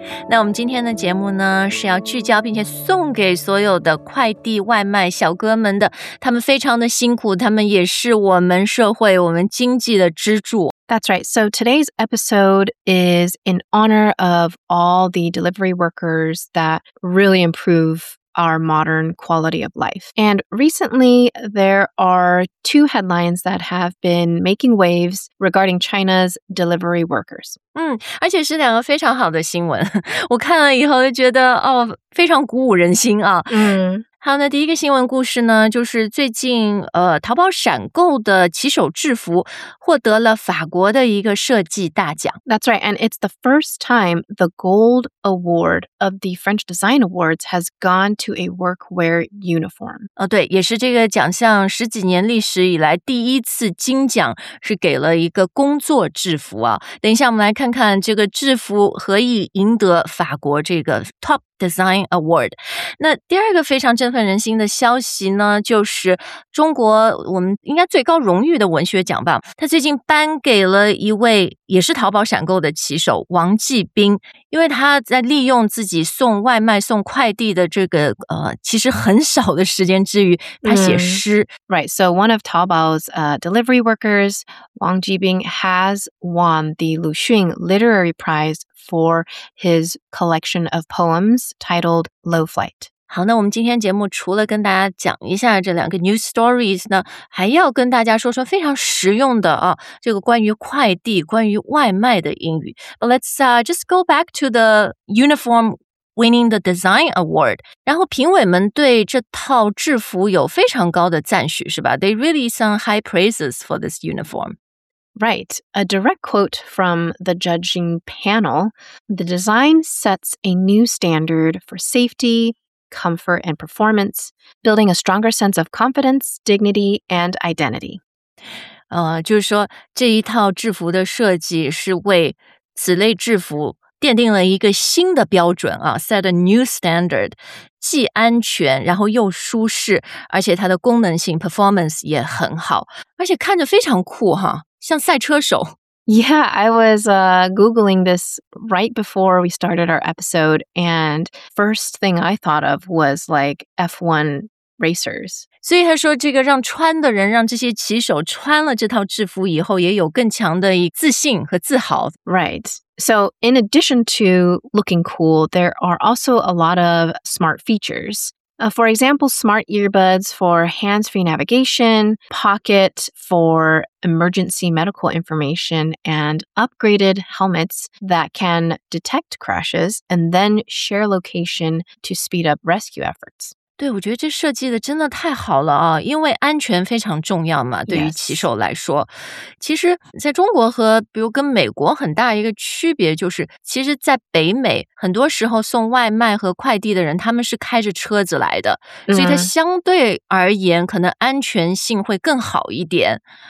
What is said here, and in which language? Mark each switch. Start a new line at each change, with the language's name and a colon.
Chinese: 那我们今天的节目呢，是要聚焦并且送给所有的快递外卖小哥们的，他们非常的辛苦，他们也是我们社会，我们经济的支柱。
English: That's right. So today's episode is in honor of all the delivery workers that really improve our modern quality of life. And recently, there are two headlines that have been making waves regarding China's delivery workers.
Chinese: 而且是两个非常好的新闻。我看了以后就觉得，哦，非常鼓舞人心啊。好，那第一个新闻故事呢，就是最近淘宝闪购的骑手制服获得了法国的一个设计大奖。
English: That's right, and it's the first time the gold award of the French Design Awards has gone to a workwear uniform.
Chinese: 对，也是这个奖项十几年历史以来第一次金奖是给了一个工作制服啊。等一下我们来看看这个制服何以赢得法国这个
English: top Design Award.
Chinese: 那第二个非常振奋人心的消息呢，就是中国我们应该最高荣誉的文学奖吧，他最近颁给了一位也是淘宝闪购的骑手王继斌，因为他在利用自己送外卖送快递的这个其实很少的时间之余，他写诗。
English: Right, so one of Taobao's delivery workers, Wang Jibing, has won the Lu Xun Literary Prize for his collection of poems titled Low Flight.
Chinese: 好，那我们今天节目除了跟大家讲一下这两个
English: news stories
Chinese: 呢，还要跟大家说说非常实用的啊，这个关于快递、关于外卖的英语。
English: But let's just go back to the uniform winning the design award.
Chinese: 然后评委们对这套制服有非常高的赞许，是吧？
English: They really sung high praises for this uniform. Right, a direct quote from the judging panel, the design sets a new standard for safety, comfort, and performance, building a stronger sense of confidence, dignity, and identity.
Chinese: 就是说这一套制服的设计是为此类制服奠定了一个新的标准啊 ,
English: set a new standard,
Chinese: 既安全然后又舒适，而且它的功能性 performance 也很好，而且看着非常酷哈。像赛车手。
English: Yeah, I was Googling this right before we started our episode, and first thing I thought of was like F1 racers.
Chinese: 所以他说这个让穿的人，让这些骑手穿了这套制服以后，也有更强的自信和自豪。
English: Right. So in addition to looking cool, there are also a lot of smart features. For example, smart earbuds for hands-free navigation, pocket for emergency medical information, and upgraded helmets that can detect crashes and then share location to speed up rescue efforts.
Chinese: 对，我觉得这设计的真的太好了啊，因为安全非常重要嘛，对于骑手来说。
English: Yes.
Chinese: 其实在中国和比如跟美国很大一个区别就是，其实在北美很多时候送外卖和快递的人他们是开着车子来的，所以它相对而言可能安全性会更好一点。